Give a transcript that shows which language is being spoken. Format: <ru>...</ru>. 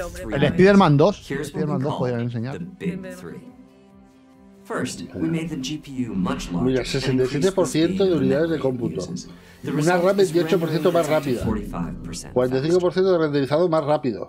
<es>El Spider-Man 2. Spider-Man 2 podrían enseñar.</es> <en>First, we made the GPU much larger.</en> <es>Mira, 67% de unidades de cómputo. Una RAM 28% más rápida. 45% de renderizado más rápido.</es>